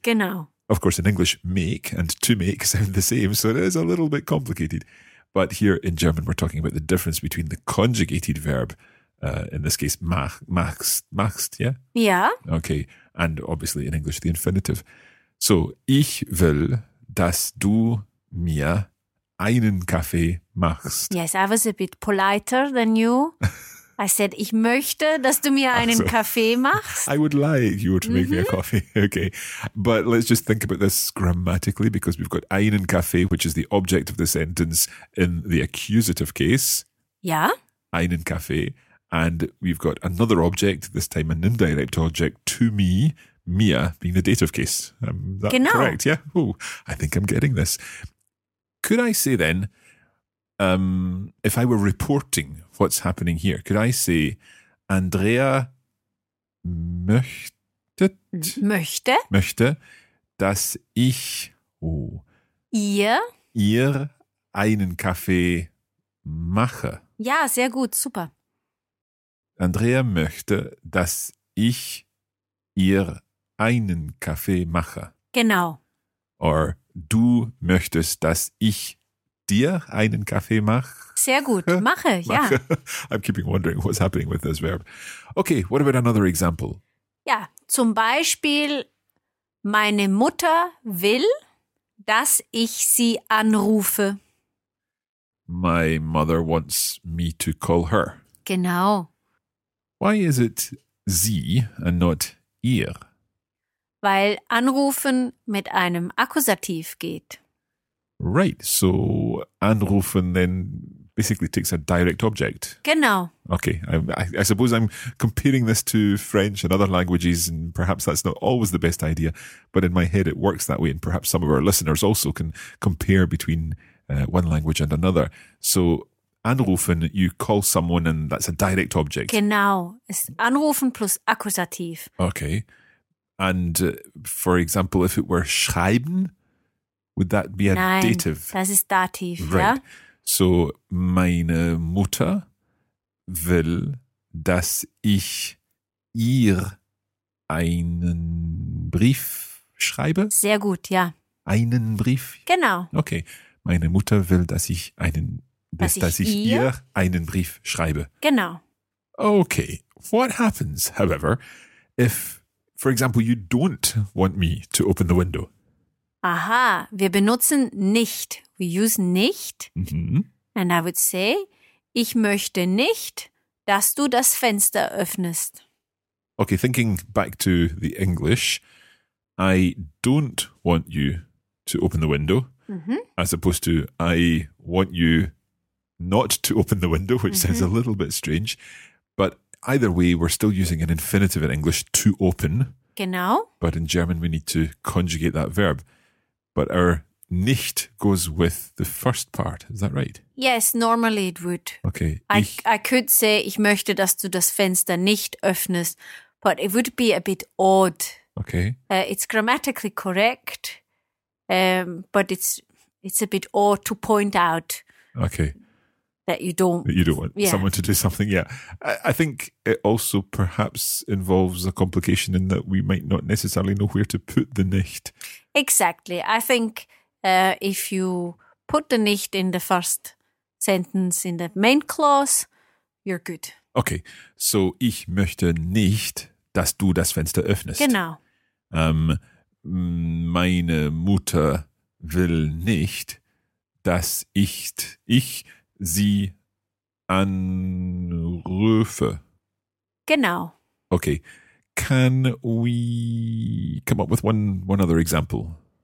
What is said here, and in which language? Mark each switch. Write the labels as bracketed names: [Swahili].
[German] Genau. [English] Of course, in English, make and to make sound the same, so it is a little bit complicated. But here in German, we're talking about the difference between the conjugated verb, in this case, machst, yeah? Yeah. Okay. And obviously in English, the infinitive. [German] So, ich will, dass du mir einen Kaffee machst. [English] Yes, I was a bit politer than you. I said, [German] ich möchte, dass du mir einen Kaffee machst. [English] I would like you to make me a coffee. Okay. But let's just think about this grammatically, because we've got einen Kaffee, which is the object of the sentence in the accusative case. Yeah. [German] Einen Kaffee. [English] And we've got another object, this time an indirect object, to me, mir, being the dative case. That [German] genau. [English] Correct, yeah? Oh, I think I'm getting this. Could I say then, if I were reporting what's happening here, could I say, [German] Andrea möchte, dass ich, ihr einen Kaffee mache. Ja, sehr gut, super. Andrea möchte, dass ich ihr einen Kaffee mache. Genau. [English] Or [German] du möchtest, dass ich dir einen Kaffee mache. Sehr gut, mache. Ja. [English] I'm keeping wondering what's happening with this verb. Okay, what about another example? [German] Ja, zum Beispiel, meine Mutter will, dass ich sie anrufe. [English] My mother wants me to call her. [German] Genau. [English] Why is it sie and not ihr? [German] Weil anrufen mit einem Akkusativ geht. [English] Right, so anrufen then basically takes a direct object. [German] Genau. [English] Okay, I suppose I'm comparing this to French and other languages and perhaps that's not always the best idea, but in my head it works that way and perhaps some of our listeners also can compare between one language and another. So anrufen, you call someone and that's a direct object. [German] Genau. [English] It's anrufen plus Akkusativ. Okay. And for example, if it were schreiben, would that be a dative? [German] Nein, das ist Dativ. [English] Right. [German] Ja? So, meine Mutter will, dass ich ihr einen Brief schreibe. Sehr gut, ja. Einen Brief? Genau. [English] Okay. [German] Meine Mutter will, dass ich einen dass ich ihr einen Brief schreibe. Genau. [English] Okay. What happens, however, if, for example, you don't want me to open the window? [German] Aha, wir benutzen nicht. [English] We use nicht. Mm-hmm. And I would say, [German] Ich möchte nicht, dass du das Fenster öffnest. [English] Okay, thinking back to the English, I don't want you to open the window, mm-hmm. as opposed to I want you not to open the window, which mm-hmm. sounds a little bit strange. But either way, we're still using an infinitive in English, to open. [German] Genau. [English] But in German, we need to conjugate that verb. But our nicht goes with the first part. Is that right? Yes, normally it would. Okay. I could say, [German] ich möchte, dass du das Fenster nicht öffnest. [English] But it would be a bit odd. Okay. It's grammatically correct, but it's a bit odd to point out. Okay. That you don't want yeah. someone to do something. Yeah. I think it also perhaps involves a complication in that we might not necessarily know where to put the nicht. Exactly. I think if you put the nicht in the first sentence in the main clause, you're good. Okay. [German] So ich möchte nicht, dass du das Fenster öffnest. Genau. Meine Mutter will nicht, dass ich sie anrufe. Genau. [English] Okay. Can we come up with one other example?